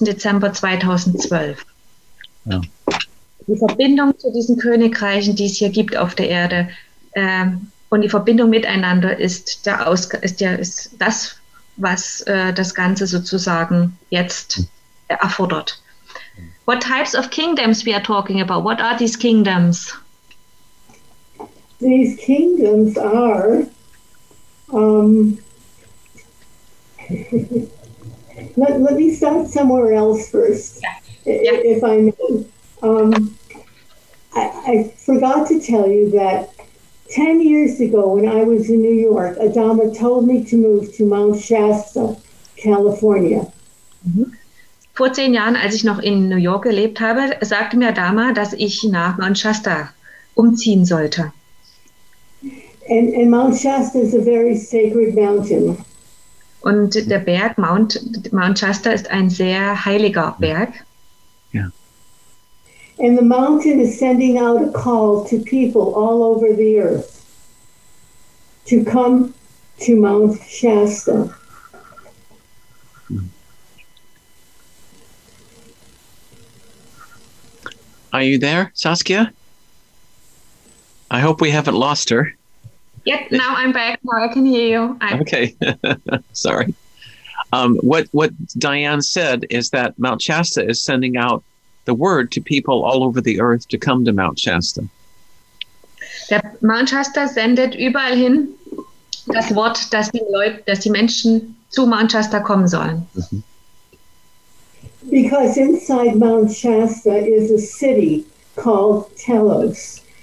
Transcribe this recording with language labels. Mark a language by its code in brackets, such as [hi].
[de] Dezember 2012. Ja. Die Verbindung zu diesen Königreichen, die es hier gibt auf der Erde, und die Verbindung miteinander ist das, was das Ganze sozusagen jetzt erfordert. [en] What types of kingdoms we are talking about? What are these kingdoms? These kingdoms are let me start somewhere else first, if I may. I forgot to tell you that 10 years ago, when I was in New York, Adama told me to move to Mount Shasta, California. [de] Vor 10 Jahren, als ich noch in New York gelebt habe, sagte mir Adama, dass ich nach Mount Shasta umziehen sollte. [en] And Mount Shasta is a very sacred mountain. [de] Und der Berg Mount Shasta ist ein sehr heiliger Berg. [en] And the mountain is sending out a call to people all over the earth to come to Mount Shasta. Are you there, Saskia? I hope we haven't lost her. Yep, now I'm back. Now I can hear you. Okay. Sorry. What Diane said is that Mount Shasta is sending out the word to people all over the earth to come to Mount Shasta. [de] Der Mount Shasta sendet überall hin das Wort, dass die Menschen zu Mount Shasta kommen sollen. Mm-hmm. [en] Because inside Mount Shasta is a city called Telos.